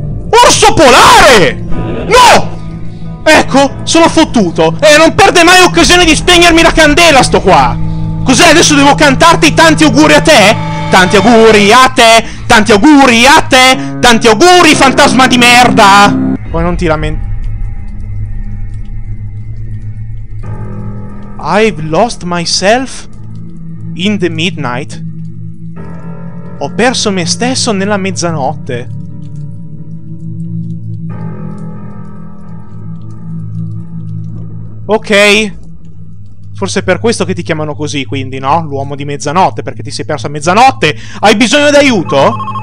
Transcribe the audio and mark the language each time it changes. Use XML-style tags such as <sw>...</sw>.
<it>Orso polare! No! Ecco, sono fottuto. Non perde mai occasione di spegnermi la candela, sto qua. Cos'è, adesso devo cantarti tanti auguri a te? Tanti auguri a te! Tanti auguri a te! Tanti auguri, fantasma di merda! Poi non ti lamenti.</it> <en>I've lost myself in the midnight.</en> <it>Ho perso me stesso nella mezzanotte. Ok. Forse è per questo che ti chiamano così, quindi, no? L'uomo di mezzanotte, perché ti sei perso a mezzanotte. Hai bisogno d'aiuto?</it>